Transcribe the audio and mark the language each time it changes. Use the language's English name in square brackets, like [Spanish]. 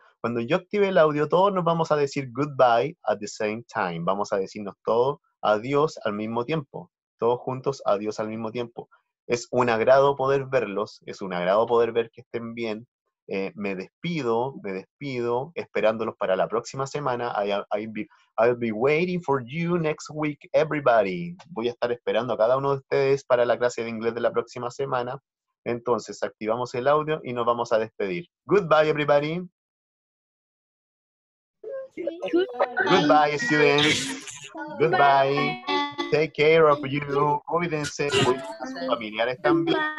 [Spanish] Cuando yo active el audio, todos nos vamos a decir [English] goodbye at the same time. [Spanish] Vamos a decirnos todos adiós al mismo tiempo. Todos juntos, adiós al mismo tiempo. Es un agrado poder verlos. Es un agrado poder ver que estén bien. Me despido, esperándolos para la próxima semana. [English] I'll be waiting for you next week, everybody. [Spanish] Voy a estar esperando a cada uno de ustedes para la clase de inglés de la próxima semana. Entonces, activamos el audio y nos vamos a despedir. [English] Goodbye, everybody. Goodbye, students. Goodbye. Take care of you. [Spanish] Cuídense. Familiares también.